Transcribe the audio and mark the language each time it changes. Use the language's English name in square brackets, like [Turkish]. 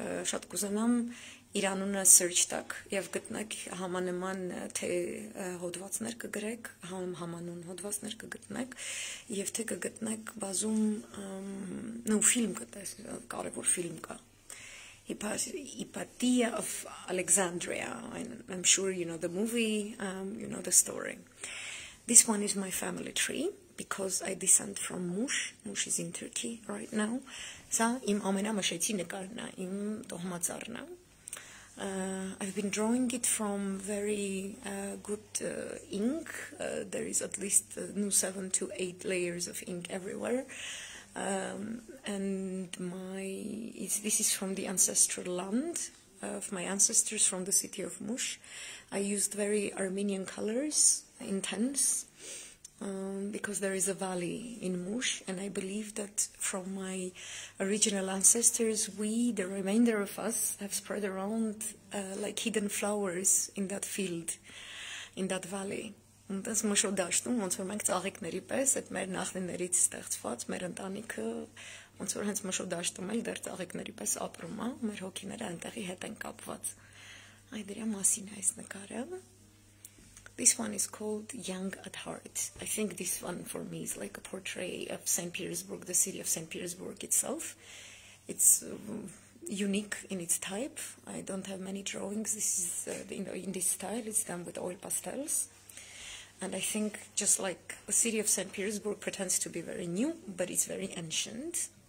[Armenian] Շատ կուզենամ իր անունը search տակ եւ գտնեք համանման թե հոդվածներ կգրեք, համանուն հոդվածներ կգտնեք եւ թե կգտնեք բազում ֆիլմ կտես, կարևոր ֆիլմ կա։ [English] Ipatia of Alexandria. I'm sure you know the movie, you know the story. This one is my family tree because I descend from Mush. Mush is in Turkey right now. [Armenian] Սա իմ ամենամշեցի նկարն է, իմ տոհմածառնա։ [English] I've been drawing it from very good ink. There is at least 7 to 8 layers of ink everywhere. This is from the ancestral land of my ancestors, from the city of Mush. I used very Armenian colors, intense, because there is a valley in Mush, and I believe that from my original ancestors, we, the remainder of us, have spread around like hidden flowers in that field, in that valley. [Armenian] Ոնց էս մշո դաշտում, ոնց որ մենք ծաղիկների պես, այդ մեր նախնիներից ստեղծված, մեր ընտանիքը, ոնց որ հենց մշո դաշտում էլ դեռ ծաղիկների պես ապրում է, մեր հոգիները այնտեղի հետ են կապված։ Այդ դրա մասին այս նկարը։ [English] This one is called Young at Heart. I think this one for me is like a portrait of St. Petersburg, the city of St. Petersburg itself. It's unique in its type. I don't have many drawings. This is in this style. It's done with oil pastels. And I think just like the city of St. Petersburg pretends to be very new, but it's very ancient.